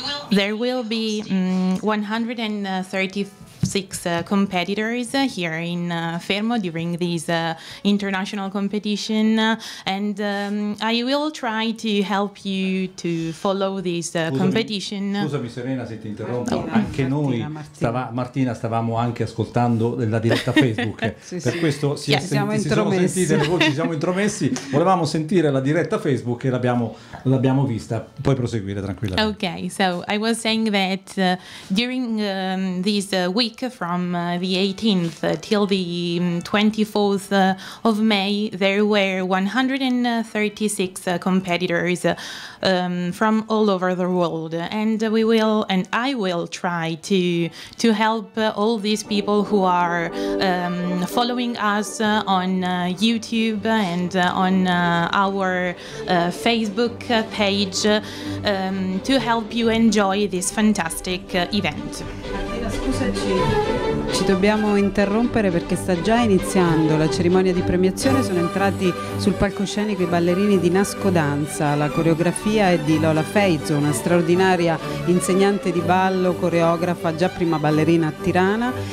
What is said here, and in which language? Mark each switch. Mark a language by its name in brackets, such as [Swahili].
[English] There will be 136 competitors here in Fermo during this international competition, and I will try to help you to follow this competition. [Italian] Scusami Serena se ti interrompo, anche noi, Martina, stavamo anche ascoltando la diretta Facebook, siamo intromessi, volevamo sentire la diretta Facebook e l'abbiamo vista, puoi proseguire tranquillamente. [English] Ok, so I was saying that during this week from the 18th till the 24th of May, there were 136 competitors from all over the world, and I will try to help all these people who are following us on YouTube and on our Facebook page to help you enjoy this fantastic event. [Italian] Ci dobbiamo interrompere perché sta già iniziando la cerimonia di premiazione. Sono entrati sul palcoscenico i ballerini di Nasco Danza. La coreografia è di Lola Feizzo, una straordinaria insegnante di ballo, coreografa, già prima ballerina a Tirana.